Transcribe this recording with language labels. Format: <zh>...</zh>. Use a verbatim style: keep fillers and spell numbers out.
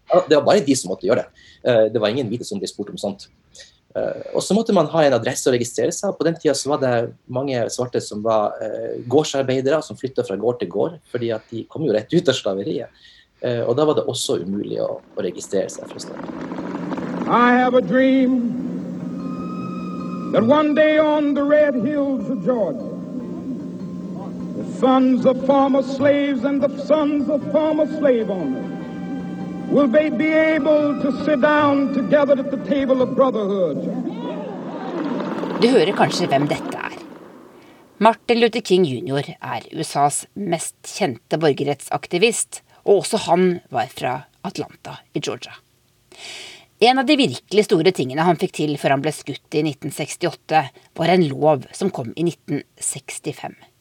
<no>Det var bare de som måtte gjøre det. Det var ingen hvite som ble spurt om sånt. Og så måtte man ha en adresse å registrere seg. På den tiden så var det mange svarte som var gårdsarbeidere, som flyttet fra gård til gård, fordi at de kom jo rett ut av slaveriet. Og da var det også umulig å, å registrere seg for å stemme.</no> <en>I have a dream that one day on the red hills of Georgia, the sons of former slaves and the sons of former slave owners will they be able to sit down together at the table of brotherhood.</en> <no>Du hører kanskje hvem dette er. Martin Luther King junior er U S As mest kjente borgerrettsaktivist, og også han var fra Atlanta i Georgia. En av de virkelig store tingene han fikk til før han ble skutt i nitten sekstiåtte, var en lov som kom i nitten sekstifem.</no>